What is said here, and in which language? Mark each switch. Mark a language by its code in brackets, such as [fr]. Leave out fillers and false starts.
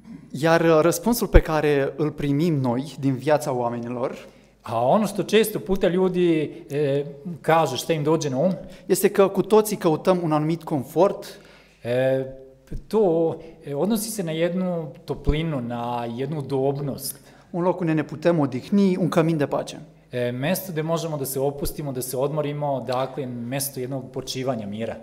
[ro] Iar răspunsul pe care îl primim noi din viața oamenilor, [sr] a ono što često puta ljudi kažu, šta im dođe na um? [ro] Este că cu toții căutăm un anumit confort, [sr] to odnosi se na jednu toplinu, na jednu udobnost. [ro] Un loc unde ne putem odihni, un camin de pace. [sr] Mesto gde možemo da se opustimo, da se odmorimo, dakle, mesto jednog počivanja, mira.